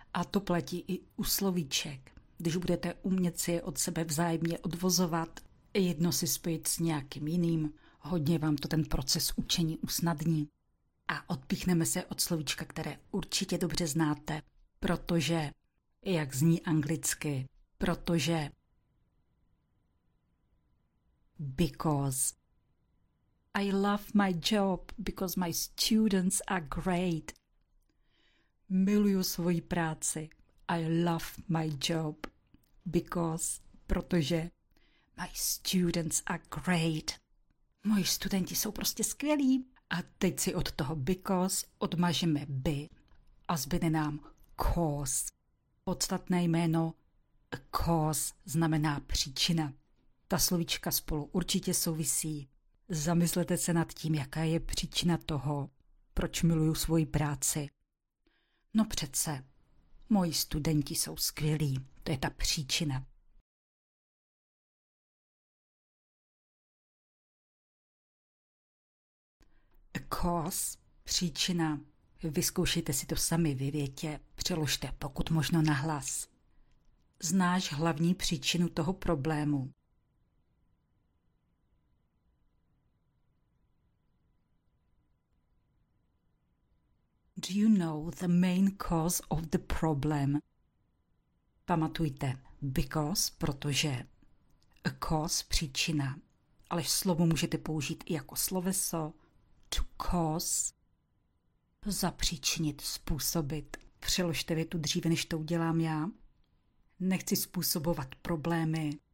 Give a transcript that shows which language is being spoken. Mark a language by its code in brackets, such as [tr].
[cs] A to platí i u slovíček. Když budete umět si je od sebe vzájemně odvozovat, jedno si spojit s nějakým jiným, hodně vám to ten proces učení usnadní. A odpíchneme se od slovíčka, které určitě dobře znáte, protože, jak zní anglicky, protože, because. [en] I love my job because my students are great. [cs] Miluju svoji práci. [en] I love my job because, protože, my students are great. [cs] Moji studenti jsou prostě skvělí. A teď si od toho because odmažeme by a zbyde nám cause. Podstatné jméno a cause znamená příčina. Ta slovíčka spolu určitě souvisí. Zamyslete se nad tím, jaká je příčina toho, proč miluju svoji práci. No přece, moji studenti jsou skvělí, to je ta příčina. A cause, příčina, vyzkoušejte si to sami ve větě, přeložte pokud možno na hlas. Znáš hlavní příčinu toho problému? [en] Do you know the main cause of the problem? [cs] Pamatujte, because, protože, a cause, příčina, ale slovo můžete použít i jako sloveso, to cause, zapříčinit, způsobit. Přeložte větu dříve, než to udělám já. Nechci způsobovat problémy.